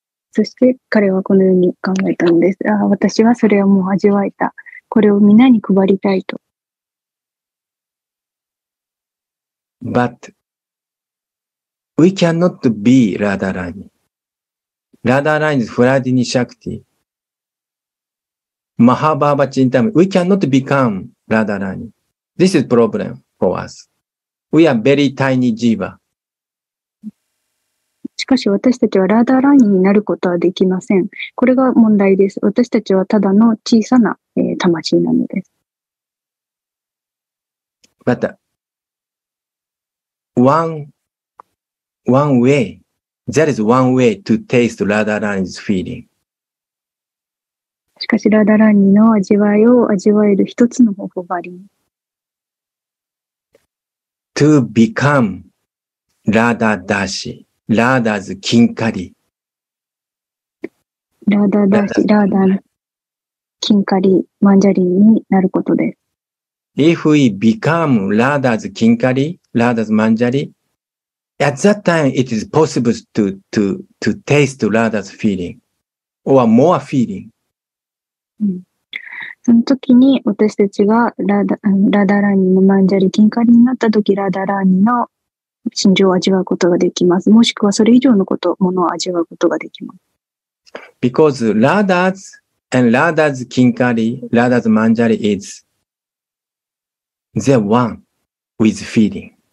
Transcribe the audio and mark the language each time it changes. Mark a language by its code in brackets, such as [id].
[ja] そして彼はこのように考えたんです。ああ、私はそれをもう味わえた。これをみんなに配りたいと。 [en] But we cannot be Radharani. Radharani is Fladini Shakti. Mahabhava Chintami. We cannot become Radharani. This is problem for us. We are very tiny Jiva. [ja] しかし私たちはラダラーニになることはできません。これが問題です。私たちはただの小さな、魂なのです。 [en] But one way, there is one way to taste ラダラーニ's feeling. [ja] しかしラダラーニの味わいを味わえる一つの方法があります。 [en] To become ラダダシ。ラーダーズ・キンカリ。 [ja] ラーダーダーシ、ラーダー、キンカリ、マンジャリになることです。 [en] If we become ラーダーズ・キンカリ、ラーダーズ・マンジャリ、at that time it is possible to taste ラーダーズ feeling, or more feeling.、 [ja] その時に私たちがラーダーラーニのマンジャリ、キンカリになった時、ラーダーラーニの心情を味わうことができます。もしくはそれ以上のことものを味わうことができます。 [en] Because Radha's and Radha's Kinkari, Radha's Manjari is the one with feeling、